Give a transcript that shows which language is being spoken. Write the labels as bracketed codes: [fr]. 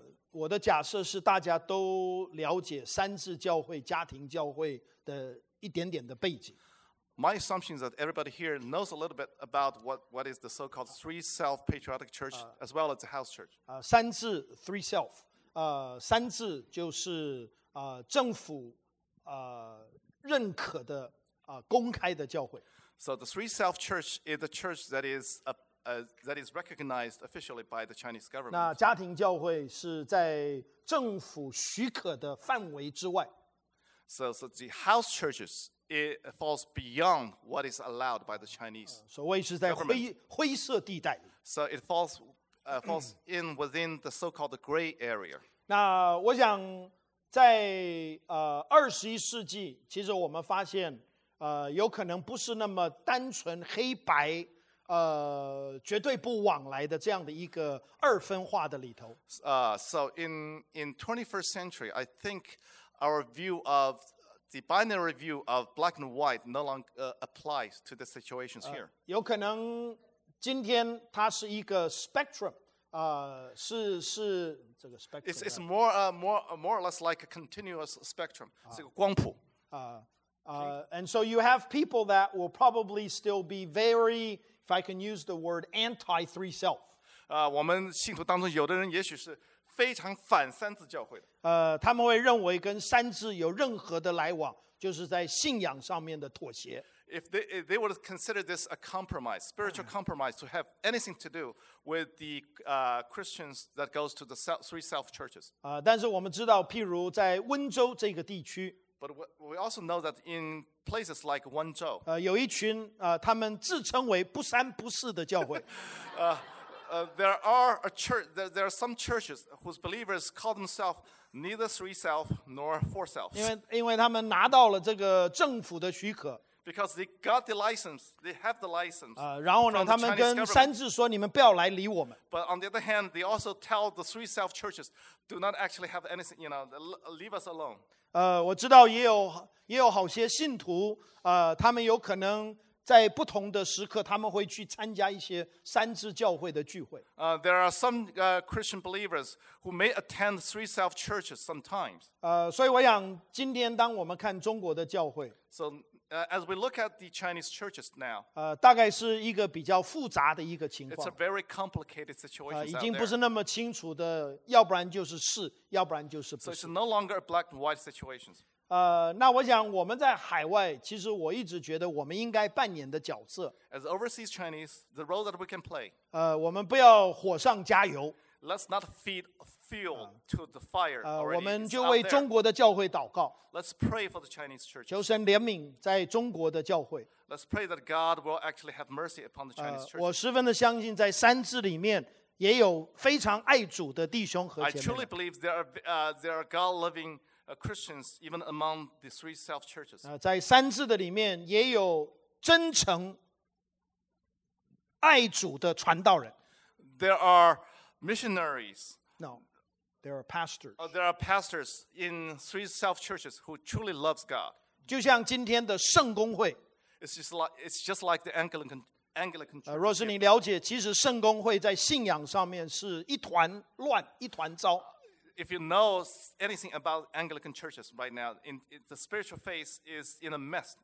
[zh] 我的假设是大家都了解三自教会、家庭教会的一点点的背景。 [en] My assumption is that everybody here knows a little bit about what is the so-called three self-patriotic church as well as the house church. [zh] 三自 [en] three self. [zh] 三字就是政府认可的公开的教会。 [en] So the three self church is the church that is that is recognized officially by the Chinese government. [zh] 那家庭教会是在政府许可的范围之外。 [en] So the house churches it falls beyond what is allowed by the Chinese. [zh] 所谓是在灰色地带。 [en] So it falls falls in within the so-called gray area. [zh] 那我想在二十一世纪，其实我们发现有可能不是那么单纯黑白。绝对不往来的这样的一个二分化的里头。 [en] So in 21st century, I think our view of the binary view of black and white no longer applies to the situations here. [zh] 有可能今天它是一个 spectrum, 是这个 spectrum. [en] It's more or less like a continuous spectrum, [zh] 是一个光谱。 [en] And so you have people that will probably still be very if I can use the word anti three self. [zh] 我们信徒当中有的人也许是非常反三字教会的。他们会认为跟三字有任何的来往，就是在信仰上面的妥协。 [en] If they would consider this a compromise, spiritual compromise, to have anything to do with the Christians that goes to the three self churches. [zh] 但是我们知道，譬如在温州这个地区。 [en] But we also know that in places like Wenzhou, [zh] 有一群他们自称为不三不四的教会。 [en] There are some churches whose believers call themselves neither three self nor four self. [zh] 因为他们拿到了这个政府的许可。 [en] Because they got the license, they have the license. [zh] 然后呢，他们跟三字说：“你们不要来理我们。” [en] But on the other hand, they also tell the three self churches, "Do not actually have anything. You know, leave us alone." [zh] 我知道也有好些信徒，他们有可能在不同的时刻，他们会去参加一些三字教会的聚会。 [en] There are some Christian believers who may attend three self churches sometimes. [zh] 所以我想，今天当我们看中国的教会 [en] ，So as we look at the Chinese churches now, [zh] 大概是一个比较复杂的一个情况。 [en] It's a very complicated situation. [zh] 已经不是那么清楚的，要不然就是是，要不然就是不是。 [en] So it's no longer a black and white situation. [zh] 那我想我们在海外，其实我一直觉得我们应该扮演的角色。 [en] As overseas Chinese, the role that we can play. [zh] 我们不要火上加油。 [en] Let's not feed fuel to the fire. [zh] 我们就为中国的教会祷告。 [en] Let's pray for the Chinese church. [zh] 求神怜悯在中国的教会。 [en] Let's pray that God will actually have mercy upon the Chinese church. [zh] 我十分的相信在三字里面也有非常爱主的弟兄和姐妹。 [en] I truly believe there are God-loving Christians even among the three self churches. [zh] 在三字的里面也有真诚爱主的传道人。 [en] There are missionaries. No, there are pastors. There are pastors in three self churches who truly loves God. [zh] 就像今天的圣公会。 [en] It's just like the Anglican Church. [zh] 若是你了解，其实圣公会在信仰上面是一团乱，一团糟。 [en] If you know anything about Anglican churches right now, the spiritual faith is in a mess.